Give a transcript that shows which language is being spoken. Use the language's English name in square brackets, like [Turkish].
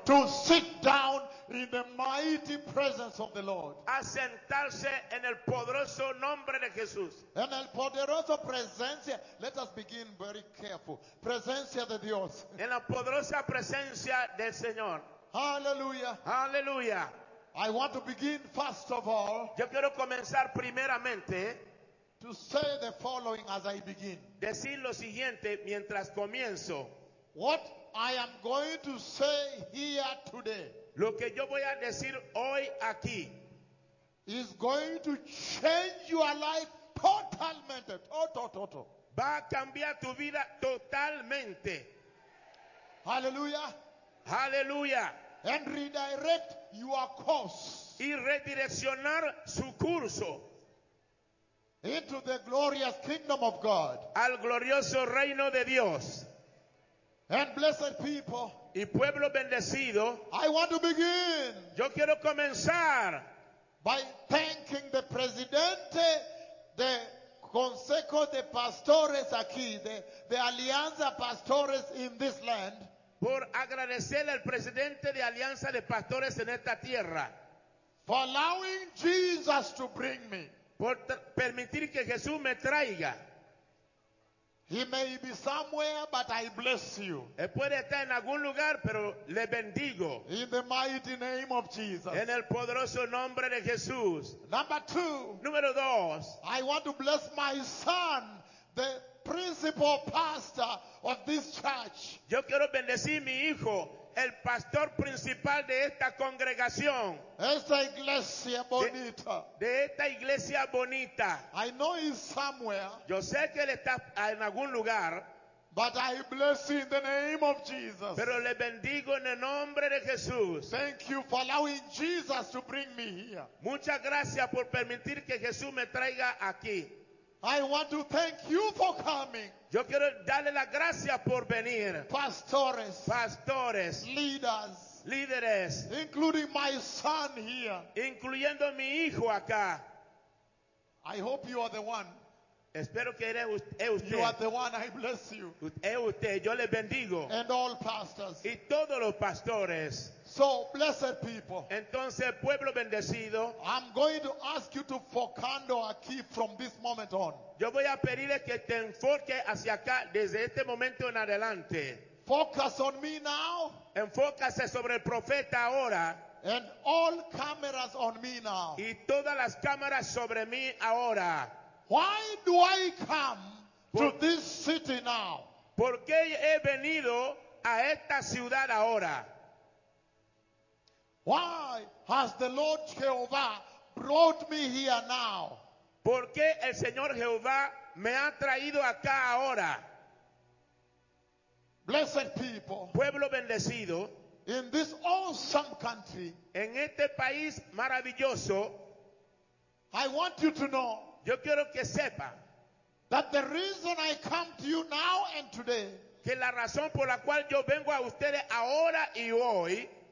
[English] to sit down in the mighty presence of the Lord. [Spanish] A sentarse en el poderoso nombre de Jesús. En el poderoso presencia. [English] Let us begin very careful. [Spanish] Presencia de Dios. En la poderosa presencia del Señor. Hallelujah. Hallelujah. [English] I want to begin first of all. [Spanish] Yo quiero comenzar primeramente. [English] To say the following as I begin. [Spanish] Decir lo siguiente mientras comienzo. [English] What I am going to say here today. [Spanish] Lo que yo voy a decir hoy aquí [English] is going to change your life [Spanish] totalmente. Total. Va a cambiar tu vida totalmente. Hallelujah. Hallelujah. [English] And redirect your course. [Spanish] Y redireccionar su curso. [English] Into the glorious kingdom of God. [Spanish] Al glorioso reino de Dios. [English] And blessed people, [Spanish] y pueblo bendecido, [English] I want to begin. [Spanish] Yo quiero comenzar [English] by thanking the presidente, the Consejo de Pastores aquí, the Alianza Pastores in this land. [Spanish] Por agradecerle al presidente de Alianza de Pastores en esta tierra. [English] For allowing Jesus to bring me. [Spanish] Por permitir que Jesús me traiga. [English] He may be somewhere, but I bless you. [Spanish] Él puede estar en algún lugar, pero le bendigo. [English] In the mighty name of Jesus. [Spanish] En el poderoso nombre de Jesús. [English] Number two. [Spanish] Número dos. [English] I want to bless my son, the principal pastor of this church. [Spanish] Yo quiero bendecir mi hijo, el pastor principal de esta congregación. Esta iglesia bonita. De esta iglesia bonita. [English] I know he's somewhere. [Spanish] Yo sé que él está en algún lugar. [English] But I bless you in the name of Jesus. [Spanish] Pero le bendigo en el nombre de Jesús. [English] Thank you for allowing Jesus to bring me here. [Spanish] Muchas gracias por permitir que Jesús me traiga aquí. [English] I want to thank you for coming. [Spanish] Yo quiero darle las gracias por venir. Pastores. Pastores. [English] Leaders. [Spanish] Líderes. [English] Including my son here. [Spanish] Incluyendo mi hijo acá. [English] I hope you are the one. [Spanish] Espero que eres usted. [English] You are the one, I bless you. [Spanish] Es usted, yo le bendigo. [English] And all pastors. [Spanish] Y todos los pastores. [English] So, blessed people. [Spanish] Entonces, pueblo bendecido. [English] I'm going to ask you to [Spanish] focando aquí [English] from this moment on. [Spanish] Yo voy a pedirle que te enfoque hacia acá desde este momento en adelante. [English] Focus on me now. [Spanish] Enfócase sobre el profeta ahora. [English] And all cameras on me now. [Spanish] Y todas las cámaras sobre mí ahora. [English] Why do I come to this city now? [Spanish] ¿Por qué he venido a esta ciudad ahora? [English] Why has the Lord Jehovah brought me here now? [Spanish] ¿Por qué el Señor Jehová me ha traído acá ahora? [English] Blessed people. [Spanish] Pueblo bendecido. [English] In this awesome country. [Spanish] En este país maravilloso. [English] I want you to know. [Spanish] Yo quiero que sepa [English] that the reason I come to you now and today, [Spanish] que la razón por la cual yo vengo a ustedes ahora y hoy,